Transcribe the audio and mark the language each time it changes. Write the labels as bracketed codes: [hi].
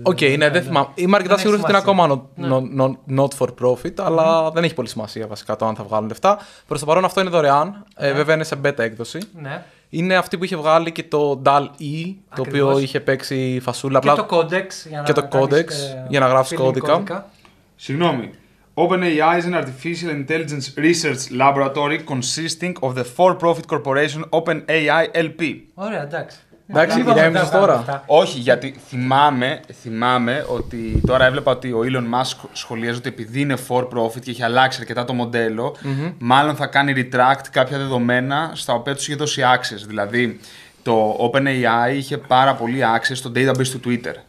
[el] Okay, ναι, δεν θυμάμαι. Είμαι αρκετά σίγουρο ότι είναι ακόμα [en] not for profit, [el] αλλά δεν έχει πολύ σημασία βασικά το αν θα βγάλουν λεφτά. Προς το παρόν αυτό είναι δωρεάν. Βέβαια είναι σε beta έκδοση. Ναι. Είναι αυτή που είχε βγάλει και το DALL-E, ακριβώς. Το οποίο είχε παίξει φασούλα. Και απλά... το Codex, για να γράφεις κώδικα. Συγγνώμη. [en] OpenAI is an artificial intelligence research laboratory consisting of the for-profit corporation OpenAI LP. [el] Ωραία, εντάξει. Εντάξει, για τώρα. Όχι, γιατί θυμάμαι ότι τώρα έβλεπα ότι ο Elon Musk σχολιάζει ότι επειδή είναι for profit και έχει αλλάξει αρκετά το μοντέλο, mm-hmm. μάλλον θα κάνει retract κάποια δεδομένα στα οποία του είχε δώσει access. Δηλαδή, το OpenAI είχε πάρα πολύ access στο database του Twitter.